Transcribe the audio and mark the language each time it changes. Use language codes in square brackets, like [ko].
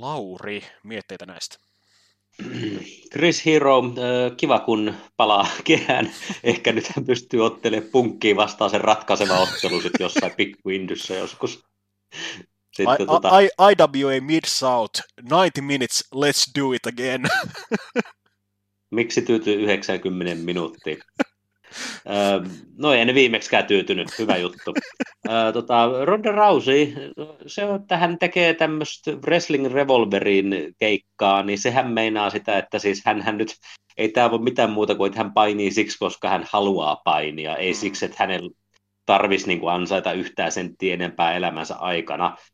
[fi] Lauri, mietteitä näistä. Chris Hero, kiva kun palaa kehään. Ehkä nyt hän pystyy ottelemaan punkkiin vastaan sen ratkaiseva ottelu sitten jossain pikku Indyssä joskus. [en] IWA Mid-South, 90 minutes, let's do it again. [fi] Miksi tyytyy 90 minuuttia? No ei ne viimeksikään tyytynyt, hyvä juttu. Ronda Rousey, se, että hän tekee tämmöistä wrestling revolverin keikkaa, niin sehän meinaa sitä, että siis hän nyt, ei tämä voi mitään muuta kuin, että hän painii siksi, koska hän haluaa painia, ei siksi, että hänen tarvitsisi niin kuin ansaita yhtään senttiä enempää elämänsä aikana.